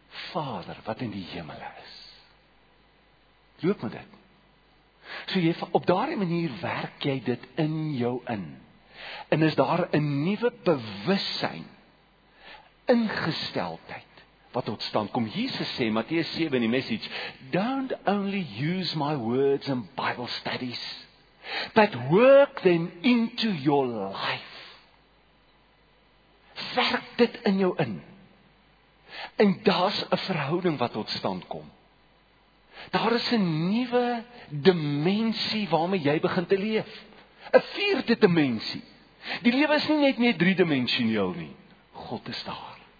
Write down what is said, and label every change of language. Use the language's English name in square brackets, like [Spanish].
[Afrikaans] Vader, wat in die hemel is. Loop met dit. So jy, op daardie manier werk jy dit in jou in. En is daar 'n nuwe bewussyn, ingesteldheid, wat tot stand kom. Jesus sê, Matteus 7 in die message, [English] don't only use my words and Bible studies, but work them into your life. [Afrikaans] Werk dit in jou in. En daar's 'n verhouding wat tot stand kom. Daar is 'n nuwe dimensie waarmee jy begin te leef. 'n vierde dimensie. Die lewe is nie net meer driedimensioneel nie. God is daar.